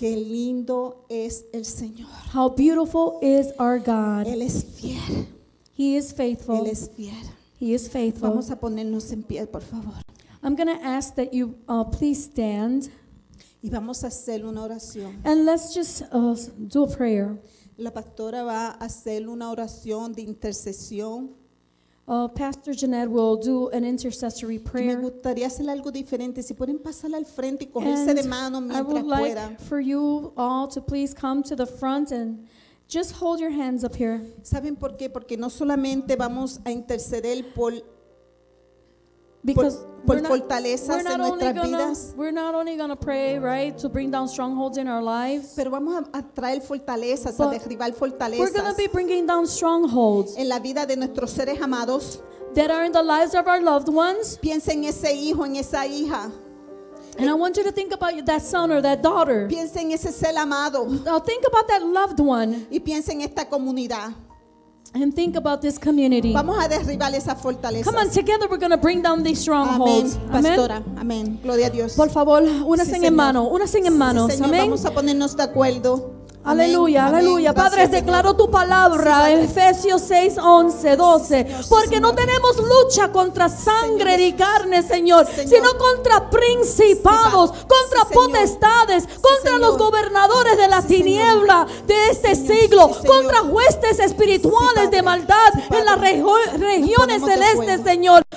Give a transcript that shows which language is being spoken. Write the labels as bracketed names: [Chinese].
[Spanish] Qué lindo es el Señor. [English] How beautiful is our God. [Spanish] Él es fiel. [English] He is faithful. [Spanish] Él es fiel. [English] He is faithful. [Spanish] Vamos a ponernos en pie, por favor. [English] I'm going to ask that you please stand. [Spanish] Y vamos a hacer una oración. [English] And let's just do a prayer. [Spanish] La pastora va a hacer una oración de intercesión. [English] Pastor Jeanette will do an intercessory prayer. [Spanish] Me gustaría hacer algo diferente. Si pueden pasar al frente y cogerse de mano mientras [English] pueda. I would like [Spanish] fuera. [English] For you all to please come to the front and just hold your hands up here. [Spanish] ¿Saben por qué? Porque no solamente vamos a interceder por [English] because we're not only going to pray, right, to bring down strongholds in our lives. [Spanish] Pero vamos a traer fortalezas, a derribar fortalezas. [English] We're going to be bringing down strongholds [Spanish] en la vida de nuestros seres amados, [English] that are in the lives of our loved ones. [Spanish] Piensa en ese hijo, en esa hija. [English] And I want you to think about that son or that daughter. [Spanish] Piensa en ese ser amado. [English] Now think about that loved one. [Spanish] Y piensa en esta comunidad. [English] And think about this community. [Spanish] Vamos a derribar esas fortalezas. [English] Come on, together we're going to bring down these strongholds. [Spanish] Amén, pastora. Amén. Gloria a Dios. Por favor, únanse en mano. Únanse en mano. Señor, vamos a ponernos de acuerdo. Aleluya, amén, aleluya. Amén. Padre, declaro tu palabra, sí, Efesios 6, 11, 12. Señor, porque Señor, no tenemos lucha contra sangre y carne, Señor, sino contra principados, contra potestades, contra los gobernadores de la tiniebla de este siglo, contra huestes espirituales de maldad en las regiones celestes, Señor.